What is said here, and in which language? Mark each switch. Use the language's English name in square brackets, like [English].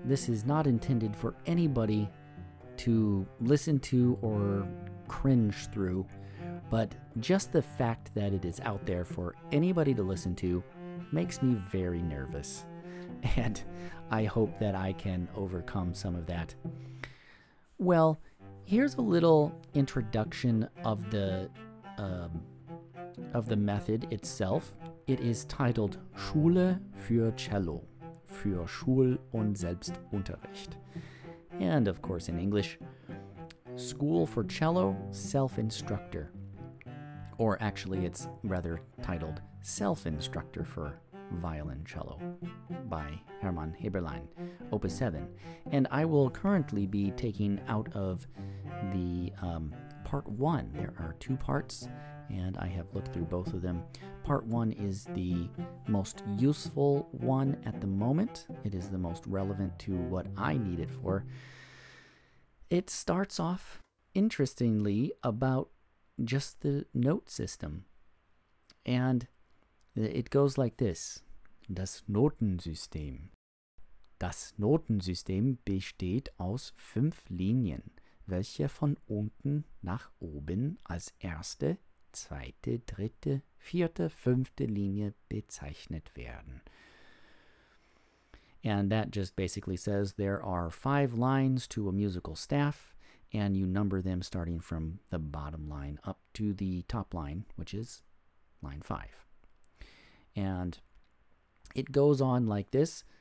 [English] This is not intended for anybody to listen to or cringe through, but just the fact that it is out there for anybody to listen to makes me very nervous, and I hope that I can overcome some of that. Well, here's a little introduction of the method itself. It is titled [German] Schule für Cello, für Schul- und Selbstunterricht. [English] And of course in English, School for Cello, Self-Instructor. Or actually it's rather titled Self-Instructor for Violin Cello by Hermann Heberlein, Opus 7. And I will currently be taking out of the part one. There are two parts, and I have looked through both of them. Part one is the most useful one at the moment. It is the most relevant to what I need it for. It starts off, interestingly, about just the note system. And it goes like this. [German] Das Notensystem. Das Notensystem besteht aus 5 Linien, welche von unten nach oben als erste, zweite, dritte, vierte, fünfte Linie bezeichnet werden. [English] And that just basically says there are 5 lines to a musical staff, and you number them starting from the bottom line up to the top line, which is line 5. And it goes on like this.